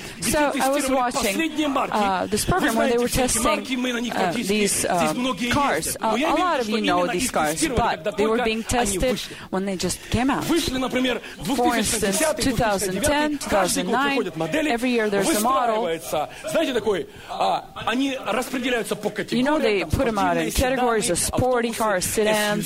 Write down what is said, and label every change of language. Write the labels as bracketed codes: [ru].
[en] So I was watching this program where they were testing these cars. A lot of you know these cars, but they were being tested when they just came out. [ru] Вышли, например, 2010, [en] For instance, 2010, 2009, every year there's a model. [ru] Знаете, такой, они распределяются по категориям, [en] you know, they [ru] там, [en] put them out in categories of sporty cars, sedans,